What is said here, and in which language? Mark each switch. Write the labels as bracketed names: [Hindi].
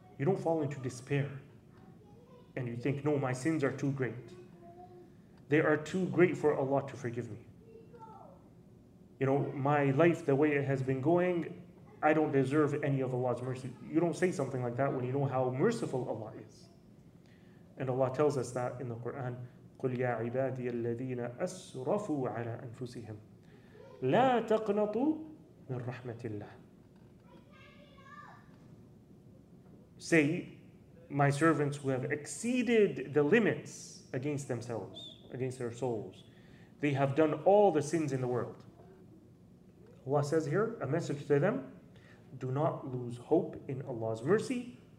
[English] You don't fall into despair. And you think, no, my sins are too great. They are too great for Allah to forgive me. You know, my life, the way it has been going, I don't deserve any of Allah's mercy. You don't say something like that when you know how merciful Allah is. And Allah tells us that in the Quran, [Arabic] قُلْ يَا عِبَادِيَ الَّذِينَ أَسْرَفُوا عَلَىٰ أَنفُسِهِمْ لَا تَقْنَطُوا مِنْ رَحْمَةِ اللَّهِ. [English] Say, my servants who have exceeded the limits against themselves, against their souls, they have done all the sins in the world. Allah says here, a message to them, do not lose hope in Allah's mercy.